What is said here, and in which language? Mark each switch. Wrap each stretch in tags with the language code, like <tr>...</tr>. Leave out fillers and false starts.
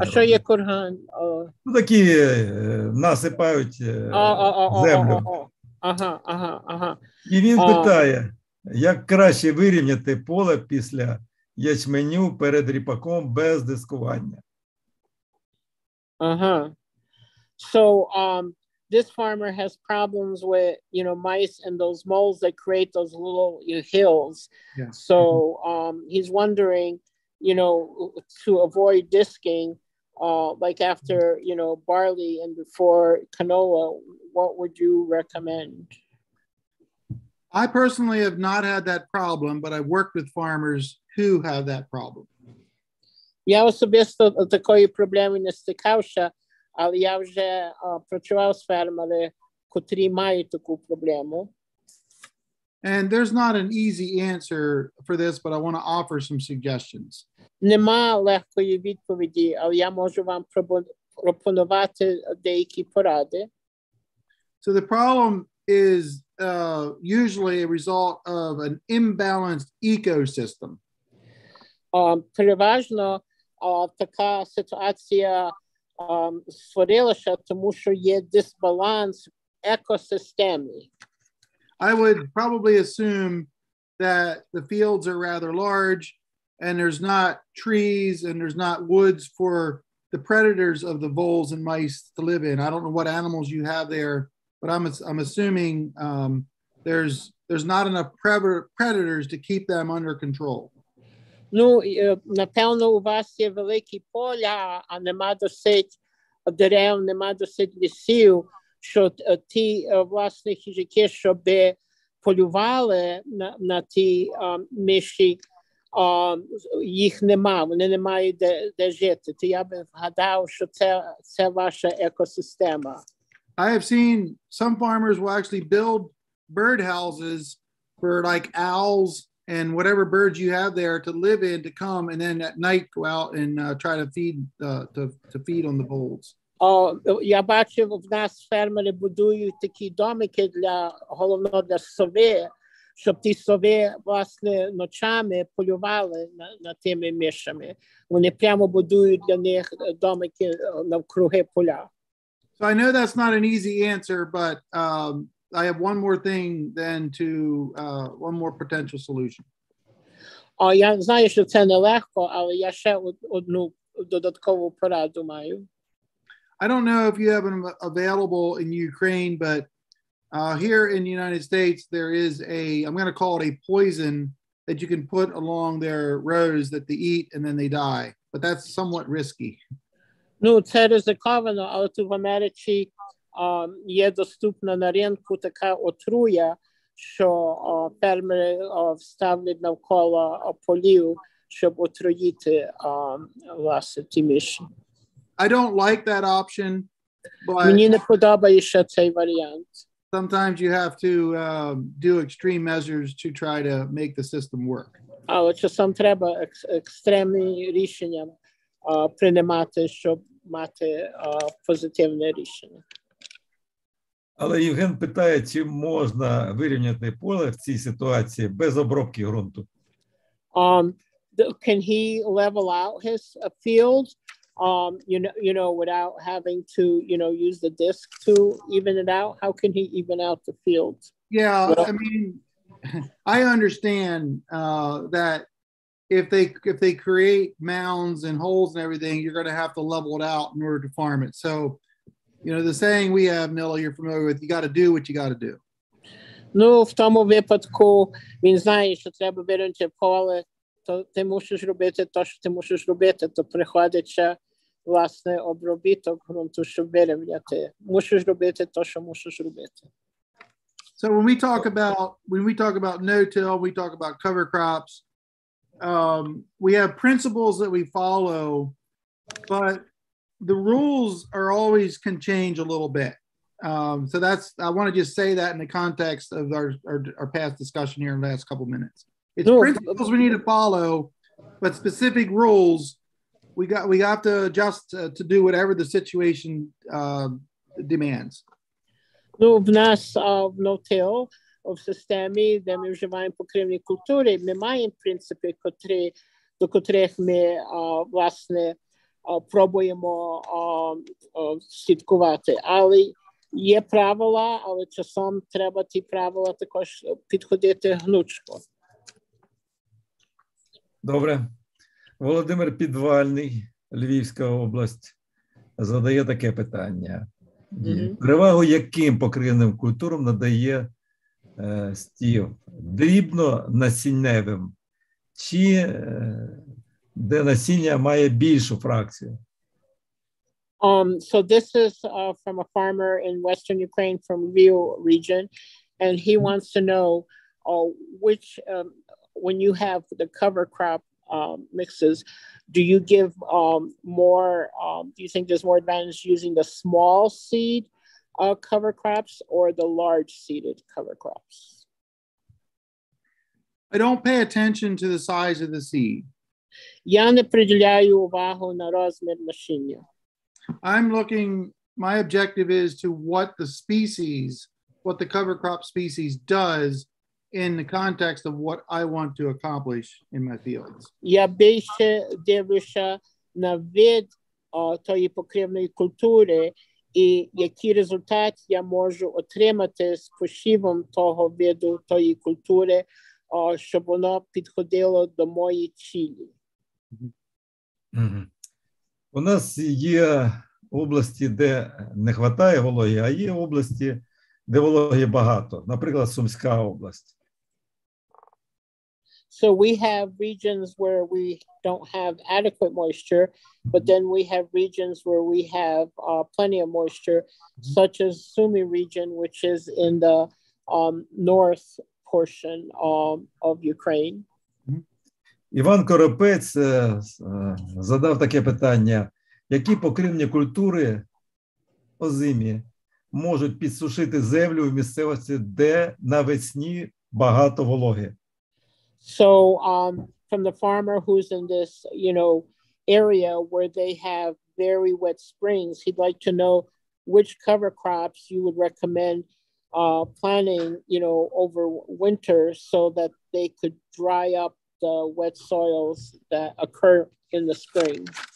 <uk>А що є курган? Ну такі насипають землю. Ага. І він питає, як краще вирівняти поле після ячменю перед ріпаком без дискування. Ага.</uk> <en>So this farmer has problems with, you know, mice and those moles that create those little hills. Yeah. So he's wondering, you know, to avoid disking, like after, you know, barley and before canola, what would you recommend? I personally have not had that problem, but I've worked with farmers who have that problem.</en> <uk>Я особисто такої проблеми не стикався. Але я вже працював з фермерами, котрі мають таку проблему.</uk> <en>And there's not an easy answer for this, but I want to offer some suggestions.</en> <uk>Нема легкої відповіді, але я можу вам пропонувати деякі поради.</uk> <en>So the problem is usually a result of an imbalanced ecosystem.</en> <uk>Переважно така ситуація створилося, тому що є дисбаланс екосистеми.</uk> <en>I would probably assume that the fields are rather large and there's not trees and there's not woods for the predators of the voles and mice to live in. I don't know what animals you have there, but I'm assuming there's not enough predators to keep them under control.</en> <uk>Ну, напевно, у вас є великі поля, а нема досить дерев нема досить лісів, що ті власні хижаки, щоб полювали на ті миші, їх нема, вони не мають де жити. То я би вгадав, що це ваша екосистема.</uk> <en>I have seen some farmers will actually build bird houses for like owls and whatever birds you have there to live in, to come and then at night go out and try to feed to feed on the voles.</en> <uk>Я бачив, в нас фермери будують такі домики для головного для сови, щоб ті сови власне ночами полювали на тими мишами. Вони прямо будують для них домики навкруги поля.</uk> <en>So I know that's not an easy answer, but I have one more thing then to one more potential solution.</en> <uk>Я знаю, що це нелегко, але я ще одну додаткову пораду маю.</uk> <en>I don't know if you have them available in Ukraine, but here in the United States, there is a, I'm going to call it a poison that you can put along their rows that they eat and then they die. But that's somewhat risky.</en> <uk>Ну, це ризиковано, але тут в Америці є доступна на ринку така отруя, що фермери вставлять навколо полів, щоб отруїти власне ті миші.</uk> <en>I don't like that option, but</en> <uk>мені не подобається цей варіант.</uk> <en>Sometimes you have to do extreme measures to try to make the system work.</en> <uk>Але часом треба екстремні рішення приймати, щоб мати позитивне рішення. Але Євген питає, чи можна вирівняти поле в цій ситуації без обробки ґрунту?</uk> <en>Can he level out his field? You know, without having to, you know, use the disc to even it out? How can he even out the field? Yeah, well, I mean, I understand that if they create mounds and holes and everything, you're going to have to level it out in order to farm it. So, you know, the saying we have, Milo, you're familiar with, you got to do what you got to do.</en> <uk>Ну, в тому випадку, він знає, що треба вирівняти поле, то ти мусиш робити те, що ти мусиш робити, то приходиться власне обробіток ґрунту, щоб вирівняти. Мусиш робити те, що мусиш робити.</uk> <en>So when we talk about no-till, we talk about cover crops, we have principles that we follow, but the rules are always can change a little bit. So that's, I want to just say that in the context of our past discussion here in the last couple minutes. It's principles we need to follow, but specific rules, we have to adjust to do whatever the situation demands.</en> <uk>Ну, в нас в no-till, в системі, де ми вживаємо покривні культури, ми маємо принципи, до котрих ми, власне, пробуємо слідкувати. Але є правила, але часом треба ті правила також підходити гнучко. Добре. Володимир Підвальний, Львівська область, задає таке питання. Перевагу яким покривним культурам надає Стів? Дрібнонасінневим? Чи де насіння має більшу фракцію?</uk> <en>So this is from a farmer in Western Ukraine from Lviv region, and he wants to know which when you have the cover crop mixes, do you give more, do you think there's more advantage using the small seed cover crops or the large seeded cover crops? I don't pay attention to the size of the seed.</en> <uk>Я не приділяю увагу на розмір насіння.</uk> <en>I'm looking, my objective is to what the species, what the cover crop species does in the context of what I want to accomplish in my fields.</en> <uk>Я більше дивлюся на вид тої покривної культури і які результати я можу отримати з посівом того виду тої культури, щоб воно підходило до моєї цілі. У нас є області, де не вистачає вологи, а є області, де вологи багато. Наприклад, Сумська область.</uk> <en>So we have regions where we don't have adequate moisture, but then we have regions where we have plenty of moisture, such as Sumi region, which is in the north portion of Ukraine.</en> <uk>Іван Коропець задав таке питання. Які покривні культури по зимі можуть підсушити землю в місцевості, де навесні багато вологи?</uk> <en>So from the farmer who's in this, you know, area where they have very wet springs, he'd like to know which cover crops you would recommend planting, you know, over winter so that they could dry up the wet soils that occur in the spring.</en>